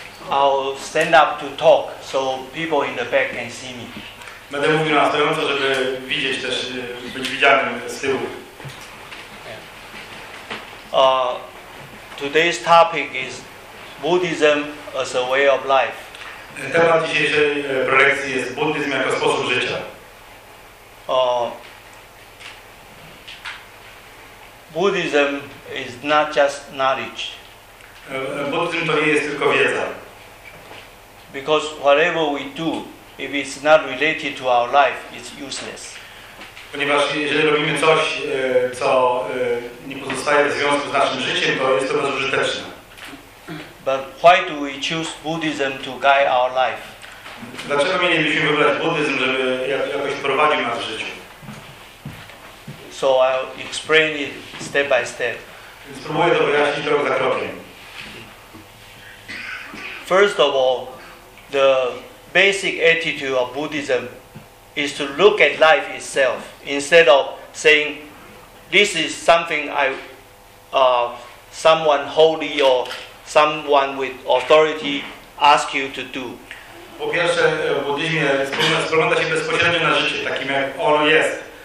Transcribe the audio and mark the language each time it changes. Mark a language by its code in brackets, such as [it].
[en] I'll stand up to talk, so people in the back can see me. [pl] Będę mówił na stojąco, żeby widzieć też, być widzianym z tyłu. [en] Today's topic is Buddhism as a way of life. [pl] Temat dzisiejszej prelekcji jest buddyzm jako sposób życia. [en] Buddhism is not just knowledge. [pl] Buddhism to nie jest tylko wiedza. [en] Because whatever we do, if it's not related to our life, it's useless. [pl] Ponieważ jeżeli robimy coś, co nie pozostaje w związku z naszym życiem, to jest to bezużyteczne. [en] But why do we choose Buddhism to guide our life? [pl] Dlaczego mielibyśmy wybrać buddyzm, żeby jakoś prowadził nas w życiu? [en] So I'll explain it step by step. [pl] Spróbuję to wyjaśnić krok za krokiem. [en] First of all, the basic attitude of Buddhism is to look at life itself instead of saying this is something someone holy or someone with authority ask you to do. [pl] Po pierwsze, w buddyzmie spogląda się bezpośrednio na życie, takim jak ono jest.